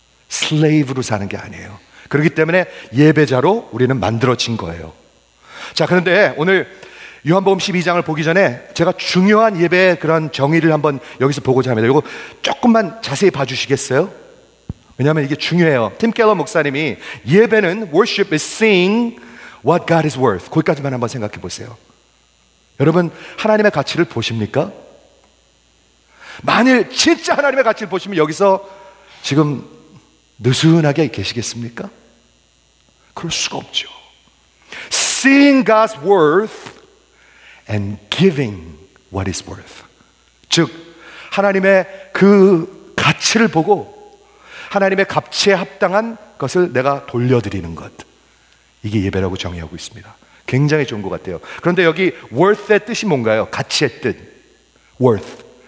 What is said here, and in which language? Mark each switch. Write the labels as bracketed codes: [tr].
[ko] slave로 사는 게 아니에요. 그렇기 때문에 예배자로 우리는 만들어진 거예요. 자, 그런데 오늘 요한복음 12장을 보기 전에 제가 중요한 예배의 그런 정의를 한번 여기서 보고자 합니다. 이거 조금만 자세히 봐주시겠어요? 왜냐하면 이게 중요해요. 팀 켈러 목사님이 예배는 [en] worship is seeing what God is worth. [ko] 거기까지만 한번 생각해 보세요. 여러분, 하나님의 가치를 보십니까? 만일 진짜 하나님의 가치를 보시면 여기서 지금 느슨하게 계시겠습니까? 그럴 수가 없죠. [en] Seeing God's worth and giving what is worth. [ko] 즉, 하나님의 그 가치를 보고 하나님의 값에 합당한 것을 내가 돌려드리는 것. 이게 예배라고 정의하고 있습니다. 굉장히 좋은 것 같아요. 그런데 여기 worth의 뜻이 뭔가요? 가치의 뜻. worth.